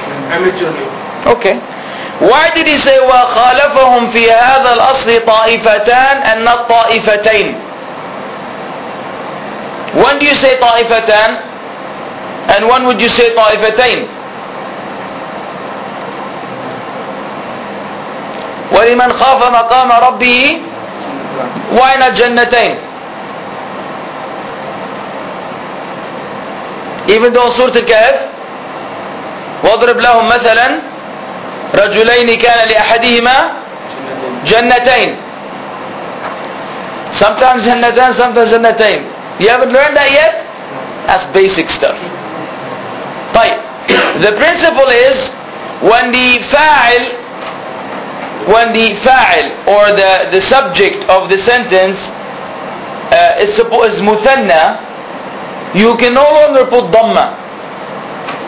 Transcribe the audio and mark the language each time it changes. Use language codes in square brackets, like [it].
[en] Amateur. Okay. Why did he say [ar] وَخَالَفَهُمْ فِي هَذَا الْأَصْلِ طَائِفَتَانَ [en] and not [ar] طَائِفَتَيْنَ? [en] When do you say طَائِفَتَانَ and when would you say طَائِفَتَيْنَ? [ar] وَلِمَنْ خَافَ مَقَامَ رَبِّهِ [en] why not [ar] جَنَّتَيْنَ? [en] Even though Surah Al-Kahf, [ar] وَضْرِبْ لَهُمْ مَثَلًا رَجُلَيْنِ كَانَ لِأَحَدِهِمَا جَنَّتَيْنِ. [en] Sometimes جَنَّتَيْنِ, sometimes جَنَّتَيْنِ. You haven't learned that yet? That's basic stuff. طيب. The principle is, when the fa'il, or the subject of the sentence, is مُثَنَّى, you can no longer put dhamma.